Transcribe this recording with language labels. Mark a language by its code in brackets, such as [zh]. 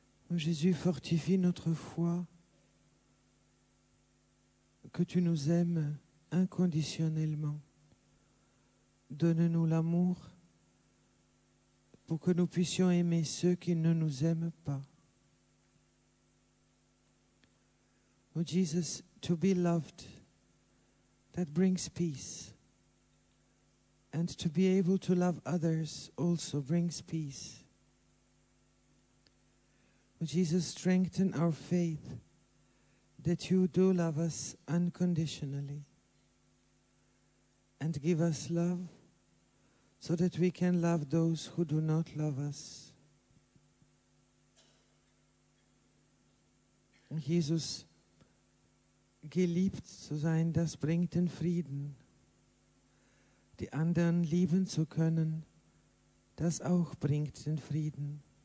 [fr] Jésus, fortifie notre foi, que tu nous aimes inconditionnellement. Donne-nous l'amour pour que nous puissions aimer ceux qui ne nous aiment pas. [en] Oh Jesus, to be loved, that brings peace. And to be able to love others also brings peace. Oh Jesus, strengthen our faith that you do love us unconditionally. And give us love so that we can love those who do not love us. [de] Jesus, geliebt zu sein, das bringt den Frieden. Die anderen lieben zu können, das auch bringt den Frieden.